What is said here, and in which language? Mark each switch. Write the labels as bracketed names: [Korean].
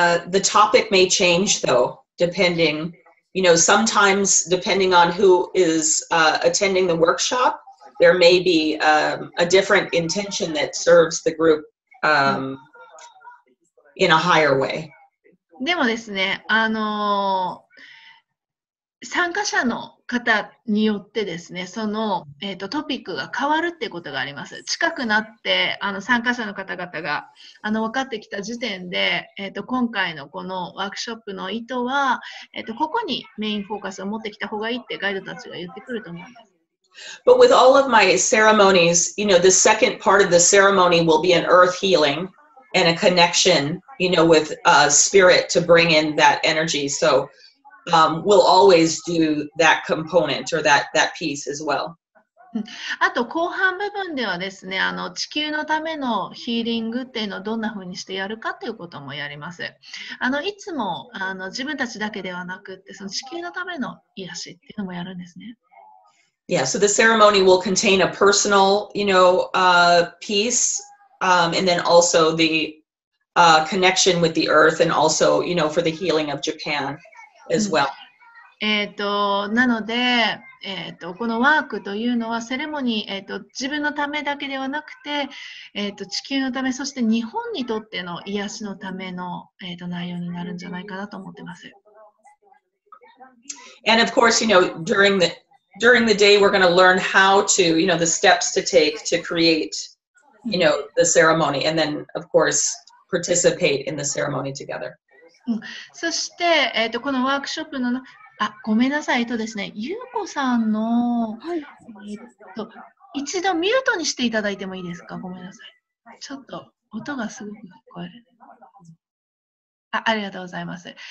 [English] The topic may change though, depending, you know, sometimes depending on who is attending the workshop, there may be a different intention that serves the group in a higher way. [Japanese] でもですね、参加者の方によってですね、その、トピックが変わるってことがあります。近くなって参加者の方々が分かってきた時点で、今回のこのワークショップの意図は、ここにメインフォーカスを持ってきた方がいいってガイドたちが言ってくると思います。 [English] But with all of my ceremonies, you know, the second part of the ceremony will be an earth healing and a connection, you know, with a spirit to bring in that energy. So,we'll always do that component or that piece as well. [Japanese] あと後半部分ではですね、地球のためのヒーリングっていうのをどんな風にしてやるかということもやります。いつも自分たちだけではなくって、その地球のための癒しっていうのもやるんですね。 [English] Yeah, so the ceremony will contain a personal, you know, piece, and then also the connection with the earth and also, you know, for the healing of Japan. As well. [Japanese] なので、このワークというのはセレモニー、自分のためだけではなくて、地球のため、そして日本にとっての癒しのための、内容になるんじゃないかなと思ってます。 [English] And of course, you know, during the day, we're going to learn how to, you know, the steps to take to create, you know, the ceremony, and then of course participate in the ceremony together. [Japanese] そして、このワークショップの、ごめんなさい、ですね、ゆうこさんの、一度ミュートにしていただいてもいいですか、ごめんなさい。ちょっと音がすごく聞こえる。ありがとうございます。